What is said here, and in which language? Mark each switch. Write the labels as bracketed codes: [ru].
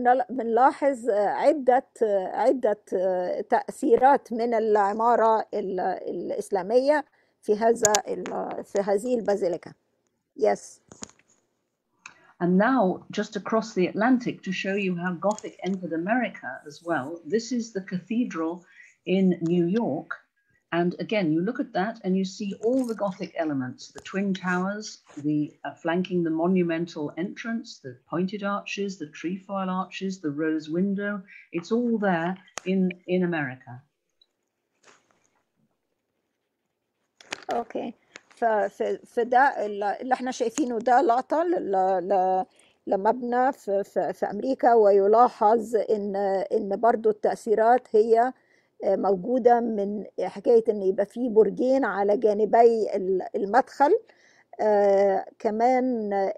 [ar] بنلاحظ عدة تأثيرات من العمارة الإسلامية في هذا في هذه البازيليكا. [en] Yes. And now, just across the Atlantic, to show you how Gothic entered America as well, this is the cathedral in New York. And again, you look at that and you see all the Gothic elements, the twin towers, the flanking the monumental entrance, the pointed arches, the trefoil arches, the rose window. It's all there in America. Okay. [ar] في ده اللي احنا شايفينه ده لقطة لمبنى في أمريكا ويلاحظ إن برضو التأثيرات هي موجودة من حكاية إن يبقى في برجين على جانبي المدخل كمان